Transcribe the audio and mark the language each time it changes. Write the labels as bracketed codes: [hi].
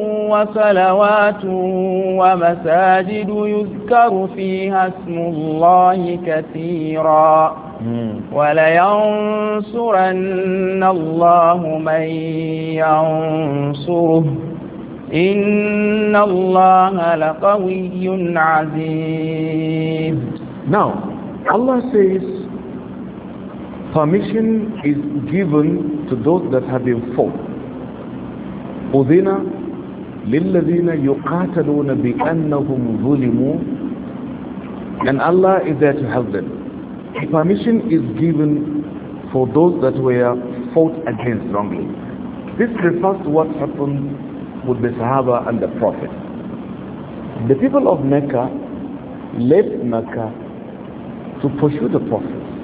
[ar] وصلوات ومساجد يذكر فيها اسم الله كثيرا ولينصرن الله من ينصره إن الله لقوي عزيز. [en] Now, Allah says, permission is given to those that have been fought. [ar] أذن للذين يقاتلون بأنهم ظلموا. [en] And Allah is there to help them. Permission is given for those that were fought against wrongly. This refers to what happened with the Sahaba and the Prophet. The people of Mecca left Mecca to pursue the Prophet.